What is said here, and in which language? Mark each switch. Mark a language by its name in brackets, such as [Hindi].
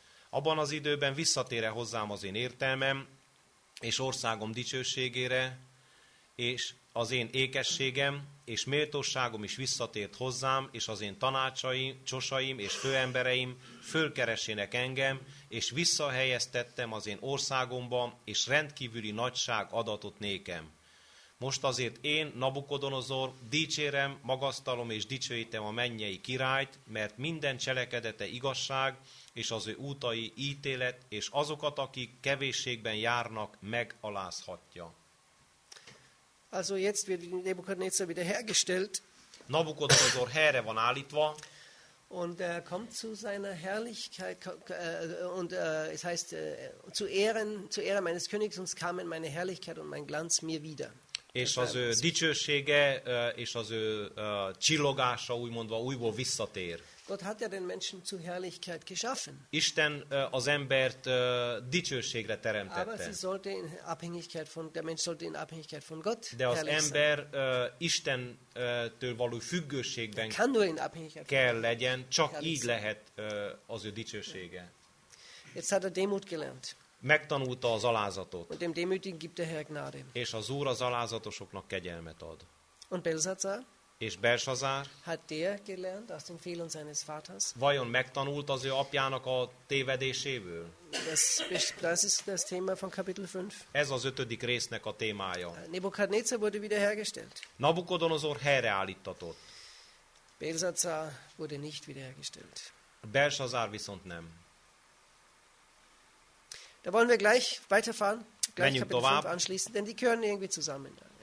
[Hungarian] Abban az időben visszatér-e hozzám az én értelmem, és országom dicsőségére, és az én ékességem, és méltóságom is visszatért hozzám, és az én tanácsaim, csosaim és főembereim fölkeresének engem, és visszahelyeztettem az én országomba, és rendkívüli nagyság adatot nékem. Most azért én, Nabukodonozor, dicsérem, magasztalom és dicsőítem a mennyei királyt, mert minden cselekedete igazság, és az ő útai ítélet, és azokat, akik kevésségben járnak, megalázhatja. [German] Also jetzt wird Nebukadnezar wiederhergestellt. [Hungarian] Nabukodonozor helyre van állítva. [German] Und er kommt zu seiner Herrlichkeit und es heißt zu Ehren meines Königs und kam in meine Herrlichkeit und mein Glanz mir wieder. [Hungarian] És az ő dicsősége és az ő csillogása úgymondva újból visszatér. [German] Gott hat ja den Menschen zu Herrlichkeit geschaffen. [Hungarian] Isten az embert dicsőségre teremtette. [German] Aber sie sollte in Abhängigkeit von der Mensch sollte in Abhängigkeit von Gott. [Hungarian] De az ember Istentől való függőségben [German] kann nur in Abhängigkeit [Hungarian] kell legyen, csak így lehet az ő dicsősége. [German] Jetzt hat er Demut gelernt. [Hungarian] Megtanulta az alázatot. [German] Und dem Demütigen gibt der Herr Gnade. [Hungarian] És az Úr az alázatosoknak kegyelmet ad. [German] Und Belsatzar? [Hungarian] És Belsazár? [German] Hat der gelernt aus den Fehlern seines Vaters? [Hungarian] Vajon megtanult az ő apjának a tévedéséből? [German] Das ist das Thema von Kapitel 5. [Hungarian] Ez az ötödik résznek a témája. [German] Nebukadnezar wurde wiederhergestellt. [Hungarian] Nabukodonozor helyreállítatott. [German] Belsatzar wurde nicht wiederhergestellt. [Hungarian] Belsazár viszont nem. [German] Da wollen wir gleich weiterfahren, gleich Kapitel 5 anschließen, denn die gehören irgendwie zusammen.